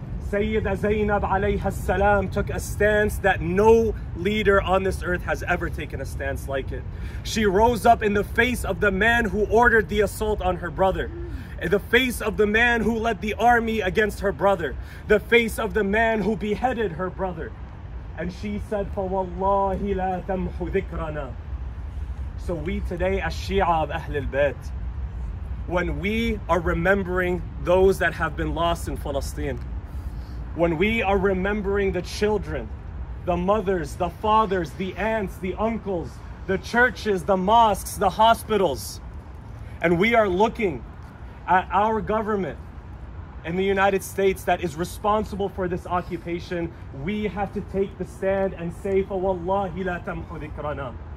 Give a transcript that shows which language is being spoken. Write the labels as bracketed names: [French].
[English] Sayyida Zainab alayha salam took a stance that no leader on this earth has ever taken a stance like it. She rose up in the face of the man who ordered the assault on her brother, in the face of the man who led the army against her brother, the face of the man who beheaded her brother. And she said, [Arabic] فَوَاللَّهِ لَا تَمْحُ ذِكْرَنَا. [English] So we today, as Shia of Ahlul Bayt, when we are remembering those that have been lost in Palestine, when we are remembering the children, the mothers, the fathers, the aunts, the uncles, the churches, the mosques, the hospitals, and we are looking at our government in the United States that is responsible for this occupation, we have to take the stand and say, [Arabic] فَوَاللَّهِ لَا تَمْحُ ذِكْرَنَا.